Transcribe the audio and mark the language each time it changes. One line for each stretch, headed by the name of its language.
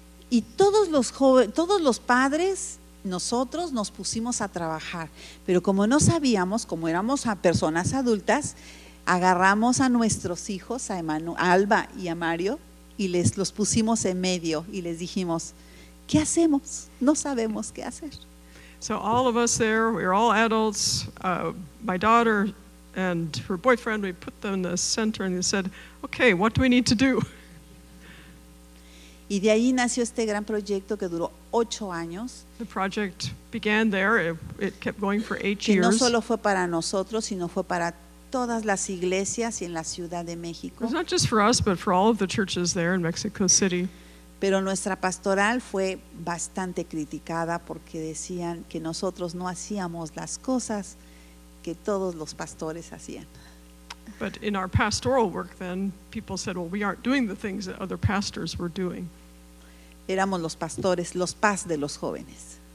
Spanish: Y todos los jóvenes, todos los padres, nosotros nos pusimos a trabajar. Pero como no sabíamos, como éramos a personas adultas, agarramos a nuestros hijos, a Alba y a Mario, y los pusimos en medio y les dijimos, ¿qué hacemos? No sabemos qué hacer.
English: So all of us there, we were all adults, my daughter and her boyfriend, we put them in the center and they said, okay, what do we need to do?
Spanish: Y de ahí nació este gran proyecto que duró 8 años.
English: The project began there, it kept going for 8
Spanish: que Y no solo fue para nosotros, sino fue para todas las iglesias y en la Ciudad de México.
English: It's not just for us, but for all of the churches there in Mexico City.
Spanish: Pero nuestra pastoral fue bastante criticada porque decían que nosotros no hacíamos las cosas que todos los pastores hacían.
English: But in our pastoral work then, people said, well, we aren't doing the things that other pastors were doing.
Spanish: Éramos los pastores, los paz de los jóvenes.